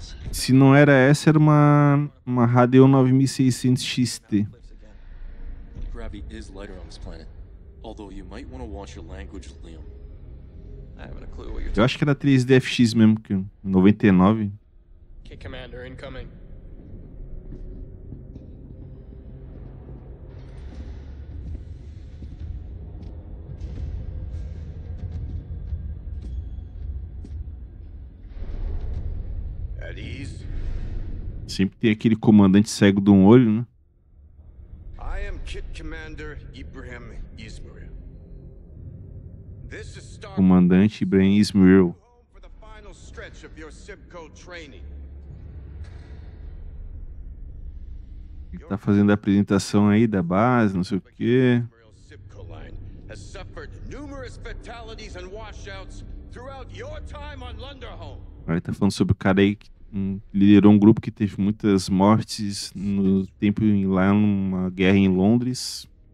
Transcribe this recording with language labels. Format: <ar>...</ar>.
<pt>Se não era essa, era uma Radeon 9600 XT.</pt> <en>Gravity is lighter on this planet. Although you might want to watch your language, Liam. I haven't a clue what you're...</en> <pt>Eu acho que era 3DFX mesmo, que 99.</pt> <en>Okay, Commander, incoming.</en> <pt>Sempre tem aquele comandante cego de um olho, né?</pt> <en>I am Kit Commander Ibrahim Ismiril. This is Star Comandante Ibrahim Ismiril. For the final stretch of your Sibco training.</en> <pt>Ele tá fazendo a apresentação aí da base, não sei o quê.</pt> <en>Has suffered numerous fatalities and washouts throughout your time on Lunderholm.</en> <pt>Aí tá falando sobre o cara aí que liderou um grupo que teve muitas mortes no tempo em lá numa guerra em Londres.</pt>